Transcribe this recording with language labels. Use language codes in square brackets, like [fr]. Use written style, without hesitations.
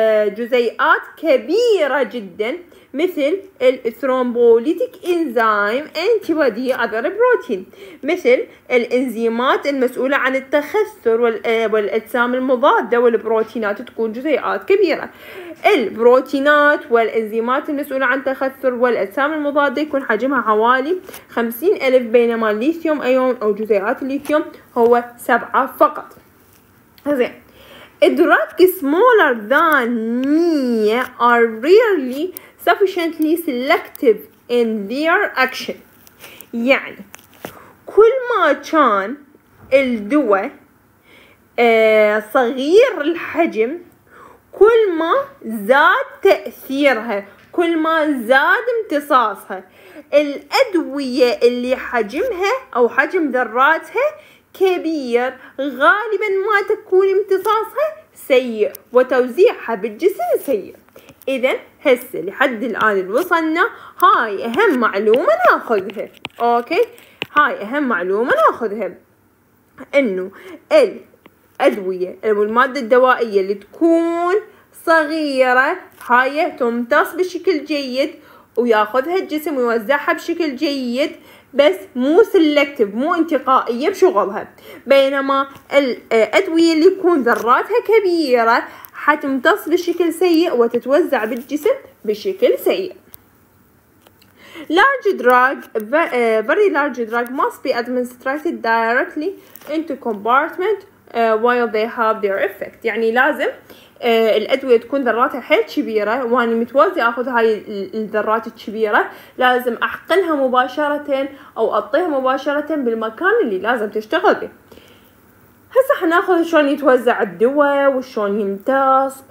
[ar] جزيئات كبيرة جدا مثل [en] الثرومبوليتيك enzyme antibody other protein, [ar] مثل الانزيمات المسؤولة عن التخثر والاجسام المضادة، والبروتينات تكون جزيئات كبيرة. البروتينات والانزيمات المسؤولة عن التخثر والاجسام المضادة يكون حجمها حوالي 50,000، بينما الليثيوم ايون او جزيئات الليثيوم هو 7 فقط. زين، [en] الدراج smaller than 100 are rarely sufficiently selective in their action. [ar] يعني كل ما كان الدواء صغير الحجم كل ما زاد تأثيرها، كل ما زاد امتصاصها. الأدوية اللي حجمها أو حجم ذراتها كبير غالبا ما تكون امتصاصها سيء وتوزيعها بالجسم سيء. اذا هسه لحد الان وصلنا هاي اهم معلومه ناخذها. اوكي هاي اهم معلومه ناخذها، انه الادويه او الماده الدوائيه اللي تكون صغيره هاي تمتص بشكل جيد وياخذها الجسم ويوزعها بشكل جيد، بس مو سلكتيف، مو انتقائيه بشغلها. بينما الادويه اللي يكون ذراتها كبيره حتمتص بشكل سيء وتتوزع بالجسم بشكل سيء. [en] Large drug, very large drug must be administered directly into compartment while they have their effect. [ar] يعني لازم الأدوية تكون ذراتها حيل كبيرة وأنا متوازي أخذ هاي الذرات الكبيرة، لازم أحقنها مباشرة أو أطيها مباشرة بالمكان اللي لازم تشتغل به. هسه حناخذ شلون يتوزع الدواء وشلون يمتص.